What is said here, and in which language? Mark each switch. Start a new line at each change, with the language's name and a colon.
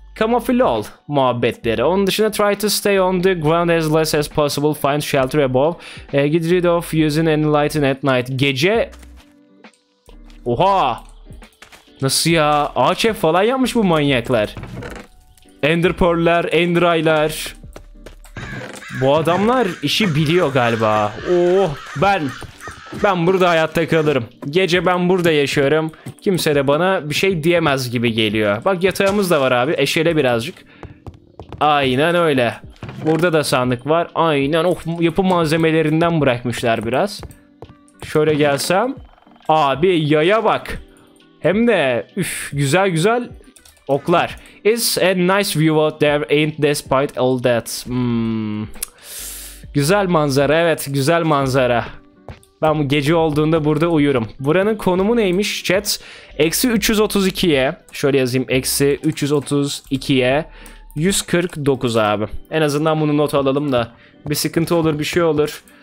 Turkish: Camouflage muhabbetleri. Onun dışında
English: try to stay on the ground as less as possible. Find shelter above. Get rid of using any lighting at night.
Turkish: Gece. Oha. Nasıl ya? AÇ falan yapmış bu manyaklar. Ender Pearl'ler, Ender Eye'ler. Bu adamlar işi biliyor galiba. Oh, ben burada hayatta kalırım. Gece ben burada yaşıyorum. Kimse de bana bir şey diyemez gibi geliyor. Bak yatağımız da var abi. Eşele birazcık. Aynen öyle. Burada da sandık var. Aynen. Oh, yapı malzemelerinden bırakmışlar biraz. Şöyle gelsem. Abi yaya bak. Hem de üf, güzel güzel oklar.
English: It's a nice view out there, ain't despite all that.
Turkish: Güzel manzara, evet güzel manzara. Ben bu gece olduğunda burada uyurum. Buranın konumu neymiş chat? -332'ye, şöyle yazayım, -332'ye 149 abi. En azından bunu not alalım da bir sıkıntı olur, bir şey olur.